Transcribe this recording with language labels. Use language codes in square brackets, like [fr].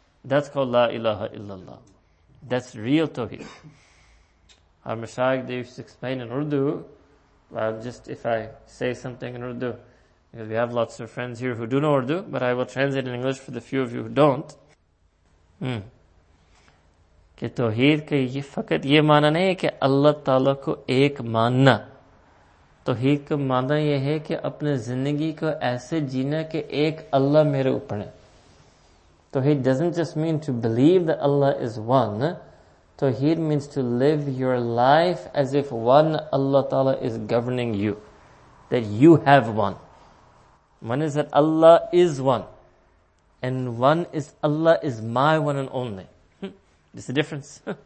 [en] That's called la ilaha illallah. That's real tawheed. Our mashayikh, they used to explain in Urdu, well, just if I say something in Urdu, because we have lots of friends here who do know Urdu, but I will translate in English for the few of you who don't. [ur] کہ توحید کا یہ فقط یہ معنی نہیں ہے کہ اللہ تعالیٰ کو ایک ماننا۔ توحید کا معنی یہ ہے کہ اپنے زندگی کو ایسے جینا کہ ایک اللہ میرے اوپر ہے۔ [en] Tawheed doesn't just mean to believe that Allah is one. Tawheed means to live your life as if one Allah Ta'ala is governing you. That you have one. One is that Allah is one. And one is Allah is my one and only. This is the difference.